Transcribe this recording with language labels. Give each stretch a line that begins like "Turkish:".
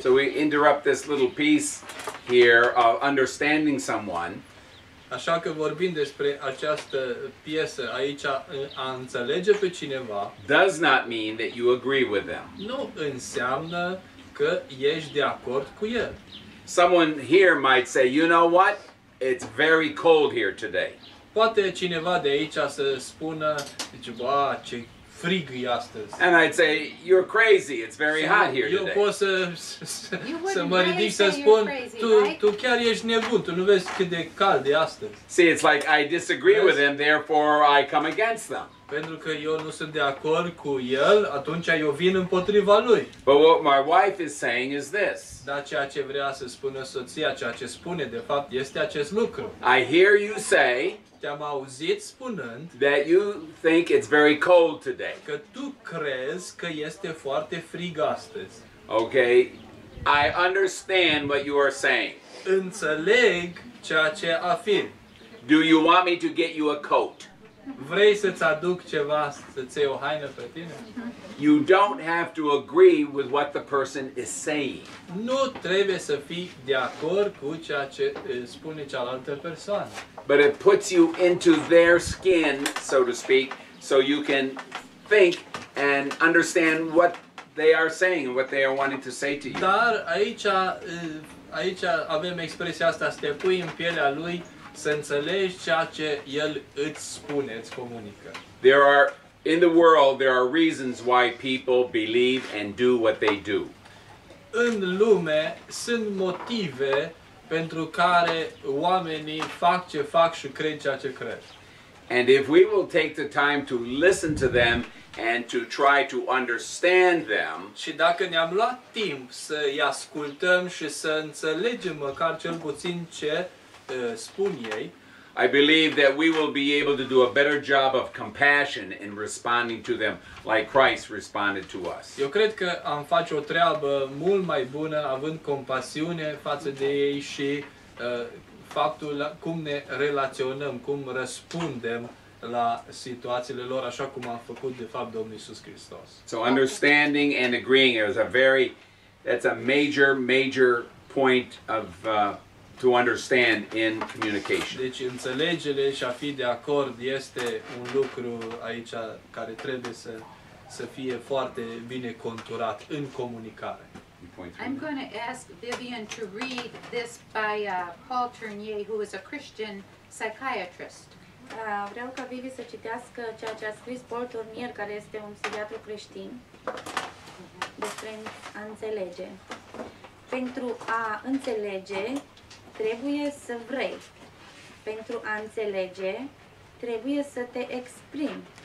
English: So we interrupt this little piece here of understanding someone.
Romanian: Așa că vorbim despre această piesă aici, a înțelege pe cineva.
English: Does not mean that you agree with them.
Romanian: Nu înseamnă că ești de acord cu el.
English: Someone here might say, you know what? It's very cold here today.
Romanian: Poate cineva de aici să spună, zice, bă, ce frig e astăzi.
English: And I'd say, you're crazy, it's very hot here today.
Romanian: Eu pot să mă ridic să spun, tu chiar ești nebun, tu nu vezi cât de cald e astăzi.
English: See, it's like I disagree with him, therefore I come against them.
Romanian: Pentru că eu nu sunt de acord cu el, atunci eu vin împotriva lui.
English: But what my wife is saying is this.
Romanian: Dar ceea ce vrea să spună soția, ceea ce spune de fapt, este acest lucru.
English: I hear you say,
Romanian: te-am auzit spunând,
English: that you think it's very cold today.
Romanian: Că tu crezi că este foarte frig astăzi.
English: Okay. I understand what you are saying.
Romanian: Înțeleg ceea ce afirm.
English: Do you want me to get you a coat?
Romanian: Vrei să-ți aduc ceva, să-ți iei o haină pe tine?
English: You don't have to agree with what the person is saying.
Romanian: Nu trebuie să fii de acord cu ceea ce spune cealaltă persoană.
English: But it puts you into their skin, so to speak, so you can think and understand what they are saying, what they are wanting to say to you.
Romanian: Dar aici avem expresia asta, să te pui în pielea lui, să înțelegi ceea ce el îți spune, îți comunică.
English: There are in the world there are reasons why people believe and do what they do.
Romanian: În lume sunt motive pentru care oamenii fac ce fac și cred ceea ce cred.
English: And if we will take the time to listen to them and to try to understand them.
Romanian: Și dacă ne-am luat timp să îi ascultăm și să înțelegem măcar cel puțin ce spun ei,
English: I believe that we will be able to do a better job of compassion in responding to them like Christ responded to us.
Romanian: Eu cred că am face o treabă mult mai bună având compasiune față de ei și faptul cum ne relaționăm, cum răspundem la situațiile lor, așa cum am făcut de fapt Domnul Iisus Hristos.
English: So understanding and agreeing is that's a major point of to understand in communication.
Romanian: Deci înțelegere și a fi de acord este un lucru aici care trebuie să fie foarte bine conturat în comunicare.
English: I'm going to ask Vivian to read this by Paul Tournier, who is a Christian psychiatrist.
Romanian: Vreau ca Vivi să citească ceea ce a scris Paul Tournier, care este un psihiatru creștin, despre a înțelege. Pentru a înțelege, trebuie să vrei. Pentru a înțelege, trebuie să te exprimi.